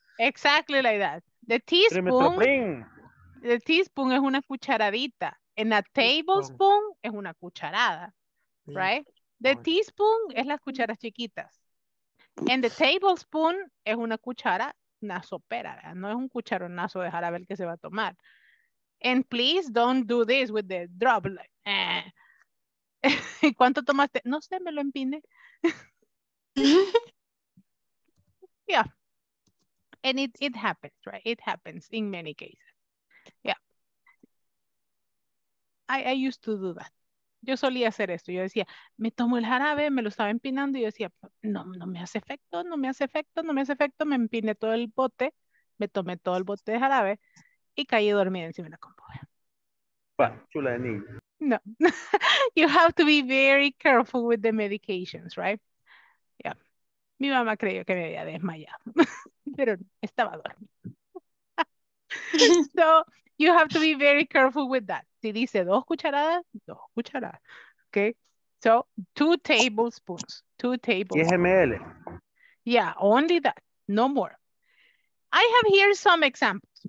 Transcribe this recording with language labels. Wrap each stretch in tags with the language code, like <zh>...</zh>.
<en>Exactly like that. The teaspoon. The teaspoon</en> <es>es una cucharadita.</es> <en>And a tablespoon</en> <es>es una cucharada.</es> <en>Right? The teaspoon</en> <es>es las cucharas chiquitas.</es> <en>And the tablespoon</en> <es>es una cuchara nasopera. No es un cucharonazo de jarabe que se va a tomar.</es> <en>And please don't do this with the drop.</en> <es>Like, eh. ¿Cuánto tomaste? No sé, me lo empine.</es> <en>Yeah. And it happens, right? It happens in many cases. Yeah. I used to do that.</en> <es>Yo solía hacer esto. Yo decía, me tomo el jarabe, me lo estaba empinando y yo decía, no me hace efecto, no me hace efecto, no me hace efecto. Me empiné todo el bote, me tomé todo el bote de jarabe y caí dormida encima de la compuja. Bueno, chula de niño.</es> <en>No, you have to be very careful with the medications, right? Yeah.</en> <es>Mi mamá creyó que me había desmayado, pero estaba dormida.</es> <en>So, you have to be very careful with that.</en> <es>Si dice dos cucharadas, dos cucharadas.</es> <en>Okay? So, two tablespoons. Two tablespoons. 10 ml. Yeah, only that. No more. I have here some examples.</en>